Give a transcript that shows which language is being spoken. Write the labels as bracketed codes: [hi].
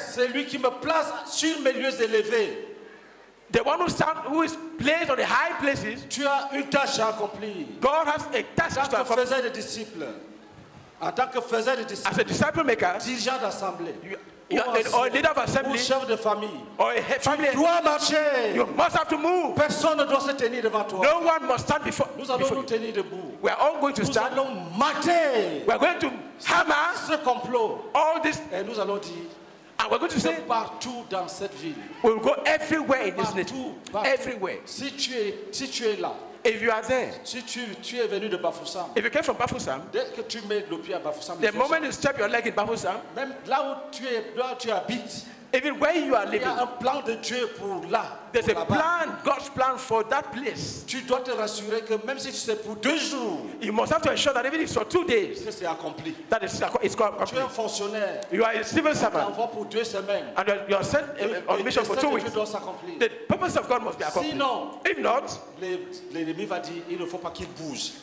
[fr] C'est lui qui me place sur mes lieux élevés. [en] The one who is placed on the high places. [fr] Tu as une tâche à accomplir. [en] God has a task to accomplish. [fr] Faisait des disciples. En tant que faisait des disciples. [en] As a disciple maker. [fr] Dirigeant d'assemblée. [en] Or leader of assembly, [fr] ou chef de famille, [en] or a family, [fr] tu dois marcher. [en] You must have to move. [fr] Personne ne doit se tenir devant toi. [en] No one must stand before. [fr] Nous allons nous tenir debout. [en] We are all going to [fr] nous [en] stand. [fr] Allons mater. [en] We are going to hammer [fr] ce complot. [en] All this. [fr] Et nous allons dire. [en] And we're going to say [fr] partout dans cette ville. [en] We will go everywhere in this nation. Everywhere. [fr] Si tu es là. [en] If you are there, [fr] si tu es venu de Bafoussam, [en] if you came from Bafoussam, [fr] dès que tu mets le pied à Bafoussam, [en] the moment you step your leg in Bafoussam, [fr] même là où tu habites, [en] even where you are living, [fr] il y a un plan de Dieu pour là. [en] There's [fr] pour [en] a plan, God's plan for that place. [fr] Tu dois te rassurer que même si c'est pour deux jours, [en] you must have to ensure that even if it's for 2 days, [fr] que c'est accompli. [en] That is accompli. [fr] Tu es un fonctionnaire. [en] You are a civil servant. [fr] Envoyé pour 2 semaines. [en] And you are sent on mission for 2 weeks. [fr] Dieu doit s'accomplir. [en] The purpose of God must be accomplished. [fr] Sinon, [en] if not, [fr] l'ennemi va dire, il ne faut pas qu'il bouge.